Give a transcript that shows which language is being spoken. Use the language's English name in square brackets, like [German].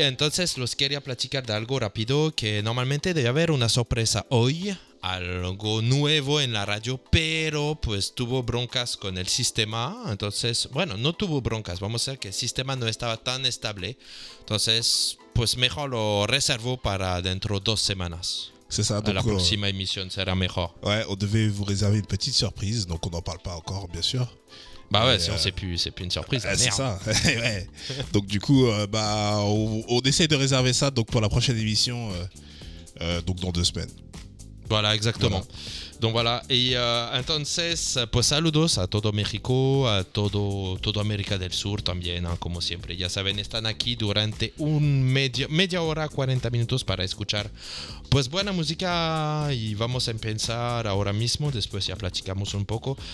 [Spanish] Entonces, los quería platicar de algo rápido, que normalmente debe haber una sorpresa hoy, algo nuevo en la radio, pero pues tuvo broncas con el sistema. Entonces, bueno, no tuvo broncas, vamos a decir que el sistema no estaba tan estable. Entonces, pues mejor lo reservo para dentro de 2 semanas. [French] C'est ça, donc, à la prochaine émission sera meilleur. Ouais, on devait vous réserver une petite surprise, donc on n'en parle pas encore, bien sûr. Bah ouais, et si on sait plus, c'est plus une surprise. C'est ça. Ouais. Donc du coup, on essaie de réserver ça donc pour la prochaine émission, donc dans 2 semaines. Voilà, exactement. Voilà. Donc voilà. [Spanish] Et entonces, pues saludos a todo México, a todo América del Sur también, hein, como siempre. Ya saben, están aquí durante media hora, 40 minutos para escuchar pues buena música. Y vamos a empezar ahora mismo, después ya platicamos un poco.